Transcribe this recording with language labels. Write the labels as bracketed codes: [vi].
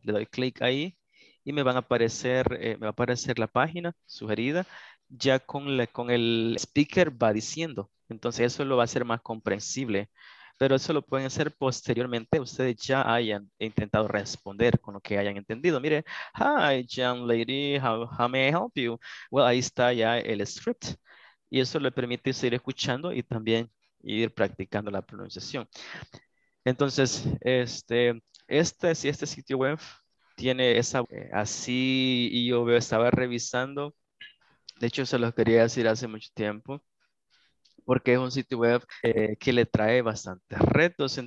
[es] Le doy clic ahí y me va a aparecer la página sugerida, ya con el speaker va diciendo. Entonces eso lo va a hacer más comprensible, pero eso lo pueden hacer posteriormente, ustedes ya hayan intentado responder con lo que hayan entendido. Mire, [en] hi, young lady, how may I help you? [es] Well, ahí está ya el script. Y eso le permite seguir escuchando y también ir practicando la pronunciación. Entonces, este sitio web tiene esa, así, y yo estaba revisando, de hecho se los quería decir hace mucho tiempo, porque es un sitio web que le trae bastantes retos.